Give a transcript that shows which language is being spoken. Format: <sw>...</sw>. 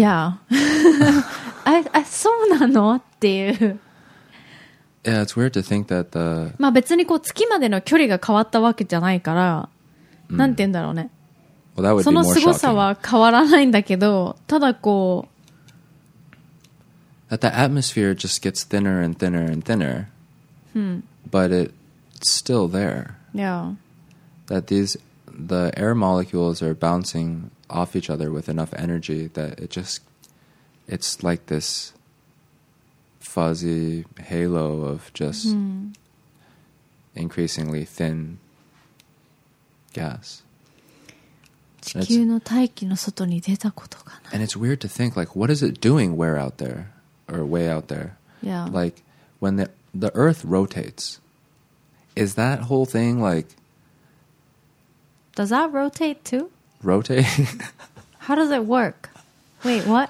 <ja>や、あ、そうなのっていう。</ja> <en>Yeah, it's weird to think that the...</en> <ja>まあ別にこう月までの距離が変わったわけじゃないから、なんて言うんだろうね。</ja> <en>Well, that would be more shocking.</en> <ja>その凄さは変わらないんだけど、ただこう、</ja> <en>that the atmosphere just gets thinner and thinner and thinner, but it's still there. Yeah. That the air molecules are bouncing off each other with enough energy that it's like this fuzzy halo of just increasingly thin gas.</en> <ja>地球の大気の外に出たことがない。</ja> <en>And it's weird to think, like, what is it doing where out there? Or way out there. Yeah. Like, when the Earth rotates, is that whole thing like... Does that rotate too? Rotate? How does it work? Wait, what?</en>